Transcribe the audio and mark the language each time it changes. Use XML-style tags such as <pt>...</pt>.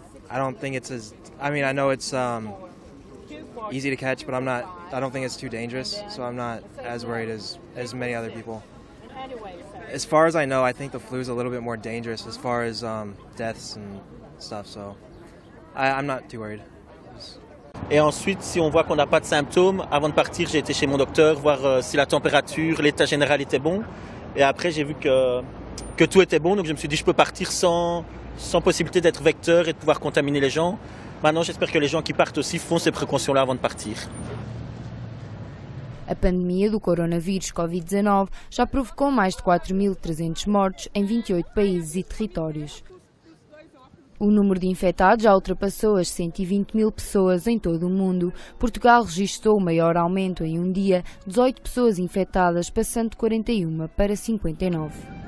<en>I don't think it's as, I mean, I know it's easy to catch, but I don't think it's too dangerous, so I'm not as worried as many other people. As far as I know, I think the flu is a little bit more dangerous as far as deaths and stuff, so I'm not too worried.</en> <fr>Et ensuite, si on voit qu'on n'a pas de symptômes, avant de partir, j'ai été chez mon docteur, voir si la température, l'état général était bon. Et après, j'ai vu que tout était bon, donc je me suis dit, je peux partir sans possibilité d'être vecteur et de pouvoir contaminer les gens. Maintenant, j'espère que les gens qui partent aussi font ces précautions-là avant de partir.</fr> <pt>A pandemia do coronavírus Covid-19 já provocou mais de 4.300 mortes em 28 países e territórios. O número de infectados já ultrapassou as 120 mil pessoas em todo o mundo. Portugal registrou o maior aumento em um dia, 18 pessoas infectadas, passando de 41 para 59.</pt>